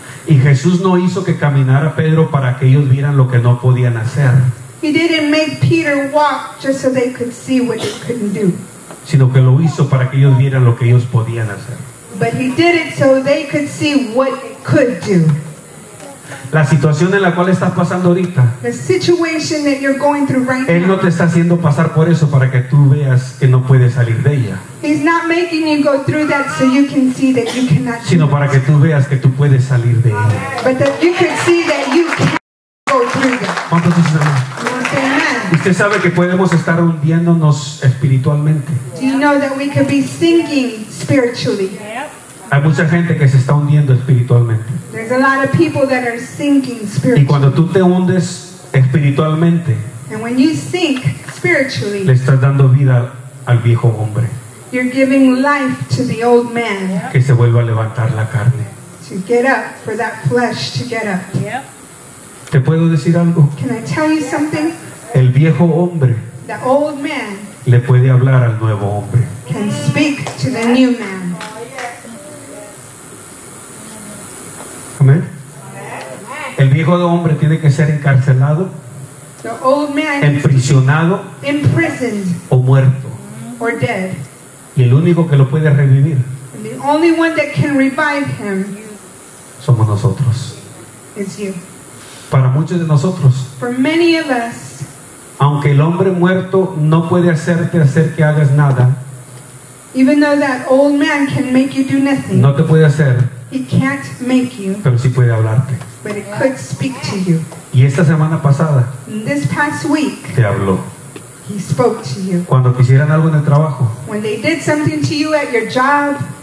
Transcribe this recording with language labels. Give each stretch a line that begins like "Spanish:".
Spanish: Y Jesús no hizo que caminara Pedro para que ellos vieran lo que no podían hacer.
English: He didn't make Peter walk just so they could see what he couldn't do.
Spanish: Sino que lo hizo para que ellos vieran lo que ellos podían hacer.
English: But he did it so they could see what he could do.
Spanish: La situación en la cual estás pasando ahorita,
English: the situation that you're going through right now,
Spanish: Él no te está haciendo pasar por eso para que tú veas que no puedes salir de ella.
English: He's not making you go through that so you can see that you cannot.
Spanish: Sino para que tú veas que tú puedes salir de ella.
English: But that you can see that you can go through that.
Spanish: ¿Cuántos dicen amén? Usted sabe que podemos estar hundiéndonos espiritualmente.
English: Do you know that we could be sinking spiritually?
Spanish: Hay mucha gente que se está hundiendo espiritualmente.
English: There's a lot of people that are sinking spiritually.
Spanish: Y cuando tú te hundes espiritualmente,
English: and when you sink spiritually,
Spanish: le estás dando vida al viejo hombre.
English: You're giving life to the old man.
Spanish: Que se vuelva a levantar la carne.
English: To get up, for that flesh to get up.
Spanish: ¿Te puedo decir algo?
English: Can I tell you something?
Spanish: El viejo hombre,
English: the old man,
Spanish: le puede hablar al nuevo hombre.
English: Can speak to the new man.
Spanish: El viejo hombre tiene que ser encarcelado,
English: the old man,
Spanish: emprisionado,
English: imprisoned,
Spanish: o muerto,
English: or dead.
Spanish: Y el único que lo puede revivir,
English: and the only one that can revive him,
Spanish: somos nosotros.
English: Is you.
Spanish: Para muchos de nosotros,
English: for many of us,
Spanish: aunque el hombre muerto no puede hacerte hacer que hagas nada,
English: even though that old man can make you do nothing,
Spanish: no te puede hacer,
English: he can't make you,
Spanish: pero sí puede hablarte.
English: But it could speak to you.
Spanish: Y esta semana pasada,
English: this past week,
Spanish: te habló.
English: He spoke to you.
Spanish: Cuando te hicieran algo en el trabajo,
English: when they did something to you at your job,